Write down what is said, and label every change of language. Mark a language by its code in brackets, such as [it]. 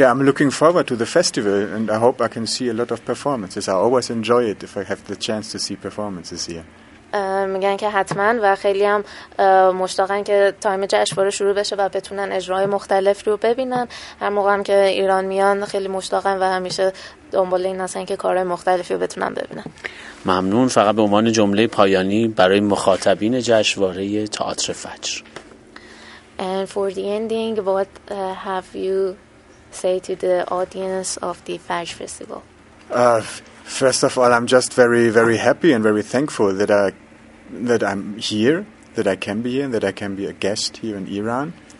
[en] Yeah, I'm looking forward to the festival and I hope I can see a lot of performances. I always enjoy it if I have the chance to see performances here. [fa] میگن که حتما و خیلی هم مشتاقن که تایم جشنواره شروع بشه و بتونن اجراهای مختلف رو ببینن. هر موقع هم که ایران میان خیلی مشتاقن و همیشه دنبال این هستن که کارهای مختلفی رو بتونن ببینن. ممنون. فقط به عنوان جمله پایانی برای مخاطبین جشنواره تئاتر فجر. [en] And for the ending, what have you say to the audience of the Fajr Festival? First of all, I'm just very, very happy and very thankful that I'm here, that I can be here, and that I can be a guest here in Iran.